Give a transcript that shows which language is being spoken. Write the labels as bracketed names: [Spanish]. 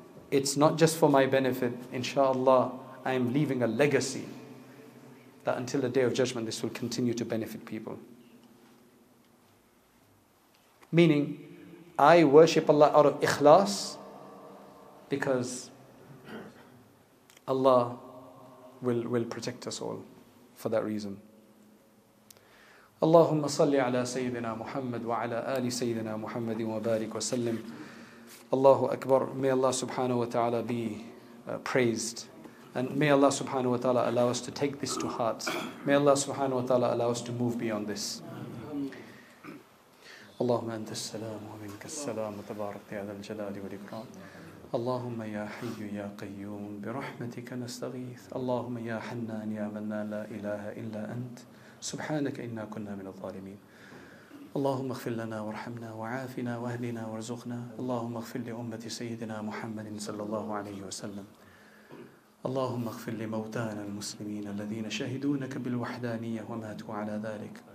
[English] It's not just for my benefit. Inshallah, I am leaving a legacy that until the day of judgment, this will continue to benefit people. Meaning, I worship Allah out of ikhlas because Allah will protect us all for that reason. [Arabic] اللهم صل على سيدنا محمد وعلى آل سيدنا محمد وبارك وسلم الله أكبر. [English] May Allah subhanahu wa ta'ala be praised. And may Allah subhanahu wa ta'ala allow us to take this to heart. May Allah subhanahu wa ta'ala allow us to move beyond this. [Arabic] اللهم أنت السلام ومنك السلام تبارك يا ذا الجلال والإكرام. اللهم يا حي يا قيوم برحمتك نستغيث. اللهم يا حنان يا منان لا إله إلا أنت. سبحانك إنا كنا من الظالمين اللهم اغفر لنا وارحمنا وعافنا واهدنا وارزقنا اللهم اغفر لأمة سيدنا محمد صلى الله عليه وسلم اللهم اغفر لموتانا المسلمين الذين شهدونك بالوحدانية وماتوا على ذلك